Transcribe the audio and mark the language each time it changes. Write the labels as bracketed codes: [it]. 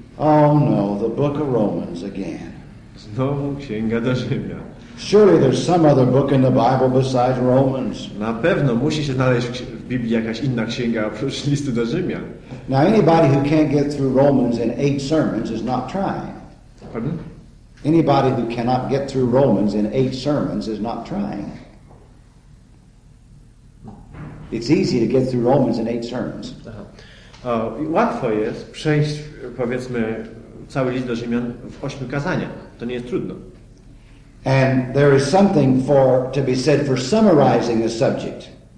[en] Oh no, the Book of Romans again. [pl] Znowu Księga do Rzymian. [en] Surely there's some other book in the Bible besides Romans. [pl] Na pewno musi się znaleźć w Biblii jakaś inna księga oprócz Listu do Rzymian. [en] Now anybody who can't get through Romans in 8 sermons is not trying. Pardon? Anybody who cannot get through Romans in 8 sermons is not trying. It's easy to get through Romans in 8 sermons. [pl] Łatwo jest przejść, powiedzmy, cały List do Rzymian w 8 kazaniach. To nie jest trudno. [en] And there is something to be said for summarizing the subject.